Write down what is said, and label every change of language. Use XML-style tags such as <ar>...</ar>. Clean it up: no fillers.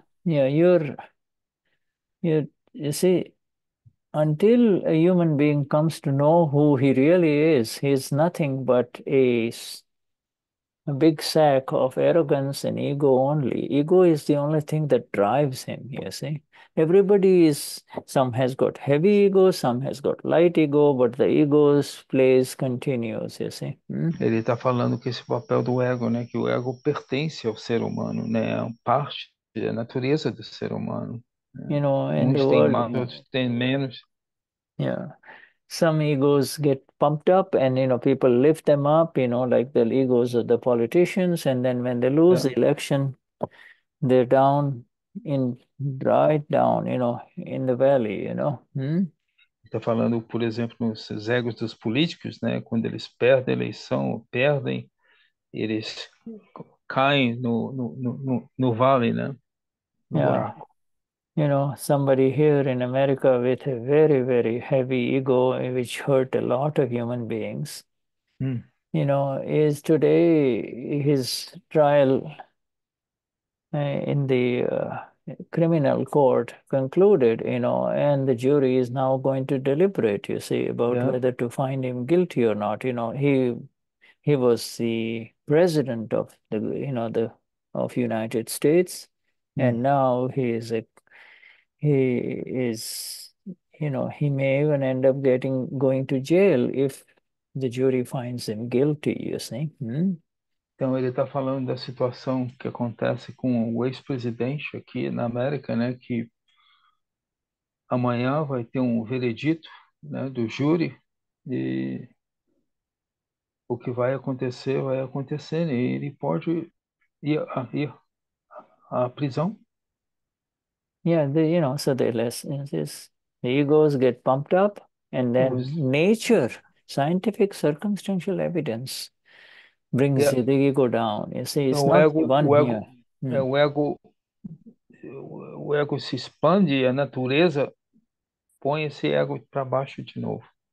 <en>You see, until a human being comes to know who he really is, he's nothing but a big sack of arrogance and ego only. Ego is the only thing that drives him, you see. Everybody is, some has got heavy ego, some has got light ego, but the ego's place continues, you see.</en> <pt>Ele está falando que esse papel do ego, né, que o ego pertence ao ser humano, né, é parte da natureza do ser humano. Né?</pt> <en>You know, in the</en> <pt>Uns têm</pt> <en>world,</en> <pt>mais, outros têm menos.</pt> <en>Some egos get pumped up and, you know, people lift them up, you know, like the egos of the politicians. And then when they lose the election, they're down in, right down, you know, in the valley, you know.</en> <pt>Está falando, por exemplo, nos egos dos políticos, né? Quando eles perdem a eleição, perdem, eles caem no vale, né? No buraco.</pt> <en>You know, somebody here in America with a very, very heavy ego, which hurt a lot of human beings, you know, is today his trial in the criminal court concluded, you know, and the jury is now going to deliberate, you see, about whether to find him guilty or not. You know, he was the president of the United States, and now he may even end up going to jail if the jury finds him guilty, you see.</en> <pt>Então ele está falando da situação que acontece com o ex-presidente aqui na América, né? Que amanhã vai ter um veredito. Né, do júri, e o que vai acontecer, e ele pode ir à prisão.</pt> <en>So the lesson is the egos get pumped up, and then nature, scientific circumstantial evidence brings the ego down. You see, it's</en> <pt>Então,</pt> <en>not the one here.</en> <pt>o ego se expande, a natureza. Põe esse ego para baixo de novo.</pt>